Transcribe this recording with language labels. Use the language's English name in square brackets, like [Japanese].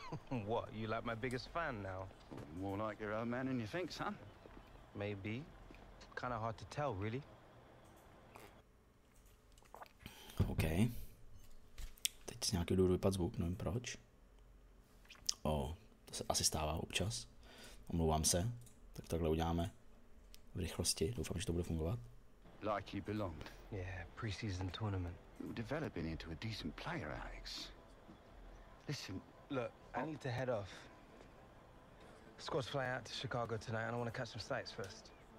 [English] What, you like my biggest fan now? More like your old man than you think, son. Maybe. Kinda hard to tell, really. OK. [Czech] Teď z nějakého důvodu vypadl zvuk, nevím proč. O, to se asi stává občas. Omlouvám se. Tak takhle uděláme. V rychlosti, doufám, že to bude fungovat. [English] Like you belonged. Yeah, pre-season tournament. You're developing into a decent player, Alex. Listen, look, I need to head off. Squad's fly out to Chicago tonight and I want to catch some sights first.